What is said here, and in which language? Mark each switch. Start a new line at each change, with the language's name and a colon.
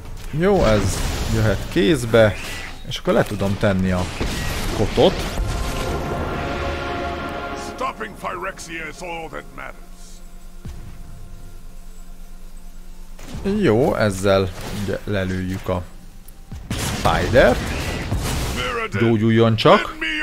Hungarian: Jó, ez jöhet kézbe. És akkor le tudom tenni a Kotot.
English: Stopping Phyrexia is all that matters.
Hungarian: Jó, ezzel ugye lelőjük a Spider. Gyógyuljon csak.